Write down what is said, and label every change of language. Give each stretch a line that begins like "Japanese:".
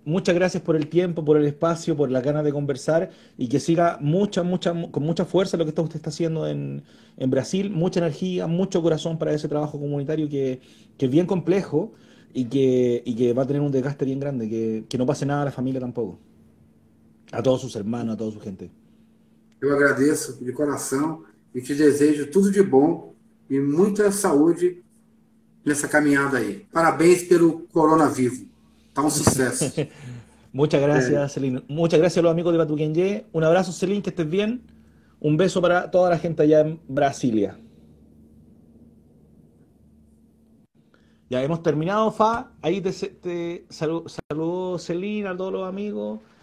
Spanish: Muchas gracias por el tiempo, por el espacio, por las ganas de conversar y que siga con mucha fuerza lo que usted está haciendo en Brasil. Mucha energía, mucho corazón para ese trabajo comunitario que es bien complejo y que va a tener un desgaste bien grande. Que no pase nada a la familia tampoco, a todos sus hermanos, a toda su gente.
Portuguese: Eu agradeço de coração e te desejo tudo de bom e muita saúde nessa caminhada aí. Parabéns pelo Corona Vivo. Tá um sucesso.
Spanish: Muchas
Portuguese: É.
Spanish: gracias, Celine. Muchas gracias a los amigos de Batuquenye. Un abrazo, Celine, que estés bien. Un beso para toda la gente allá en Brasilia. Ya hemos terminado, Fa. Ahí te saludó Celine, a todos los amigos.